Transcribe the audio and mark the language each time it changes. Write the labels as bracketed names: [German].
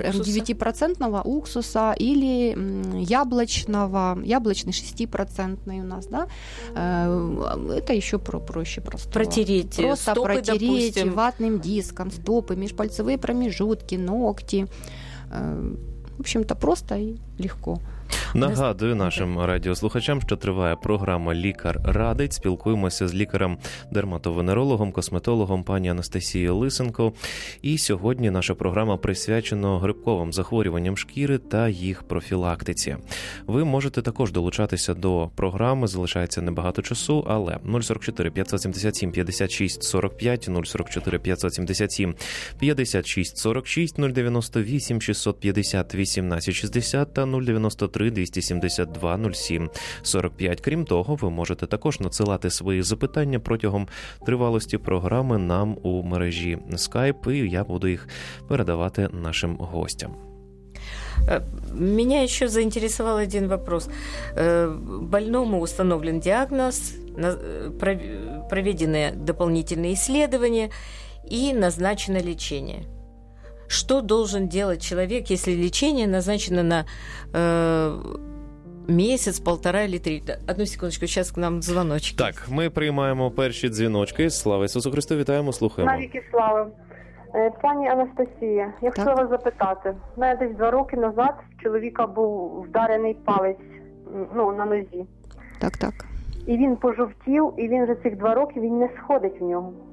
[Russian] раствор 9% уксуса или яблочного, яблочный 6% у нас, да. Это еще проще просто. Протереть. Просто стопы, протереть, допустим, ватным диском, стопы, межпальцевые промежутки, ногти. В общем-то, просто и легко. [Ukrainian] Нагадую нашим радіослухачам, що триває програма «Лікар радить». Спілкуємося з лікарем-дерматовенерологом, косметологом пані Анастасією Лисенко. І сьогодні наша програма присвячена грибковим захворюванням шкіри та їх профілактиці. Ви можете також долучатися до програми, залишається небагато часу, але 044-577-5645, 044-577-5646, 098-650-1860 та 093-272-07-45. Крім того, ви можете також надсилати свої запитання протягом тривалості програми нам у мережі Skype, і я буду їх передавати нашим гостям. [Russian] Меня еще заинтересовал один вопрос. Больному установлен диагноз, проведены дополнительные исследования и назначено лечение. Что должен делать человек, если лечение назначено на месяц, полтора или три? Одну секундочку, сейчас к нам звоночки. Так, мы принимаем первые дзвоночки. [Ukrainian] Слава Ісусу Христу, вітаємо, слухаємо. Навіки слава. Пані Анастасія, я хотіла вас запитати. У мене десь 2 роки назад в чоловіка був вдарений палець, ну, на нозі. Так, так. І він пожовтів, і він вже цих 2 роки, він не сходить в нього.